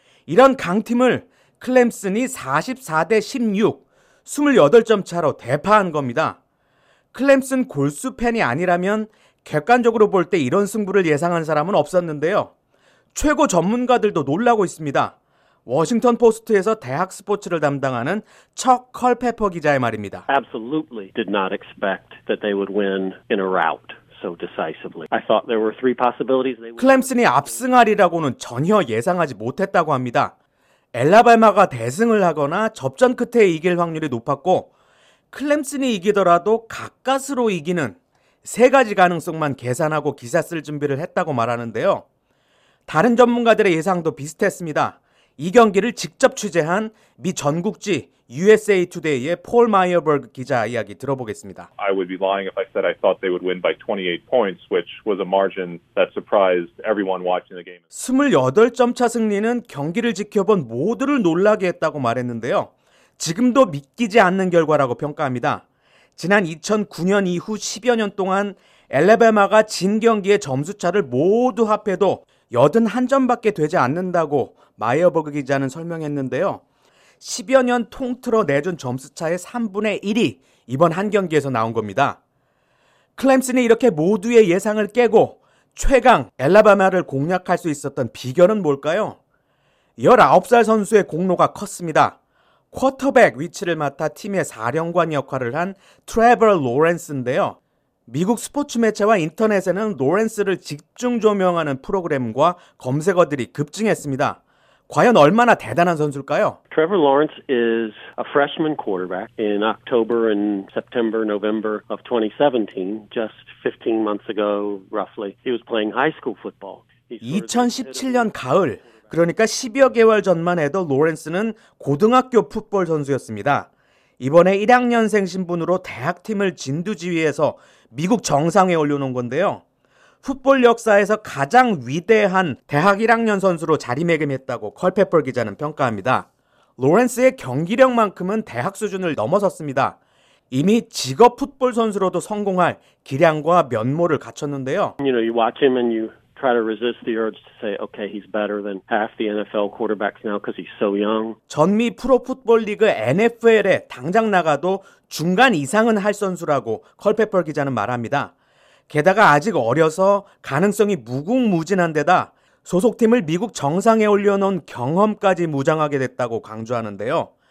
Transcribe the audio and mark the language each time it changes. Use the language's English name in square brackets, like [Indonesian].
[Korean] 이런 강팀을 클렘슨이 44대 16, 28점 차로 대파한 겁니다. 클렘슨 골수 팬이 아니라면 객관적으로 볼 때 이런 승부를 예상한 사람은 없었는데요. 최고 전문가들도 놀라고 있습니다. 워싱턴 포스트에서 대학 스포츠를 담당하는 척 컬페퍼 기자의 말입니다. [English] Absolutely did not expect that they would win in a rout so decisively. I thought there were three possibilities. [Korean] 클렘슨이 압승하리라고는 전혀 예상하지 못했다고 합니다. 엘라발마가 대승을 하거나 접전 끝에 이길 확률이 높았고, 클렘슨이 이기더라도 가까스로 이기는 세 가지 가능성만 계산하고 기사 쓸 준비를 했다고 말하는데요. 다른 전문가들의 예상도 비슷했습니다. 이 경기를 직접 취재한 미 전국지 USA Today의 폴 마이어버그 기자 이야기 들어보겠습니다. [English] I would be lying if I said I thought they would win by 28 points, which was a margin that surprised everyone watching the game. [Korean] 28점 차 승리는 경기를 지켜본 모두를 놀라게 했다고 말했는데요. 지금도 믿기지 않는 결과라고 평가합니다. 지난 2009년 이후 10여 년 동안 엘라바마가 진 경기의 점수 차를 모두 합해도 81점밖에 되지 않는다고 마이어버그 기자는 설명했는데요. 10여 년 통틀어 내준 점수차의 3분의 1이 이번 한 경기에서 나온 겁니다. 클렘슨이 이렇게 모두의 예상을 깨고 최강 엘라바마를 공략할 수 있었던 비결은 뭘까요? 19살 선수의 공로가 컸습니다. 쿼터백 위치를 맡아 팀의 사령관 역할을 한 트레버 로렌스인데요. 미국 스포츠 매체와 인터넷에는 로렌스를 집중 조명하는 프로그램과 검색어들이 급증했습니다. 과연 얼마나 대단한 선수일까요? [English] Trevor Lawrence is a freshman quarterback in October and September, November of 2017, just 15 months ago, roughly. He was playing high school football. [Korean] 2017년 가을, 그러니까 12여 개월 전만 해도 로렌스는 고등학교 풋볼 선수였습니다. 이번에 1학년생 신분으로 대학팀을 진두지휘해서 미국 정상에 올려놓은 건데요. 풋볼 역사에서 가장 위대한 대학 1학년 선수로 자리매김했다고 컬페퍼 기자는 평가합니다. 로렌스의 경기력만큼은 대학 수준을 넘어섰습니다. 이미 직업 풋볼 선수로도 성공할 기량과 면모를 갖췄는데요. [English] You know, you watch him and you try to resist the urge to say, okay, he's better than half the NFL quarterbacks now because he's so young. [Korean] 전미 프로 풋볼 리그 NFL에 당장 나가도 중간 이상은 할 선수라고 컬페퍼 기자는 말합니다. 게다가 아직 어려서 가능성이 무궁무진한 데다 소속팀을 미국 정상에 올려놓은 경험까지 무장하게 됐다고 강조하는데요.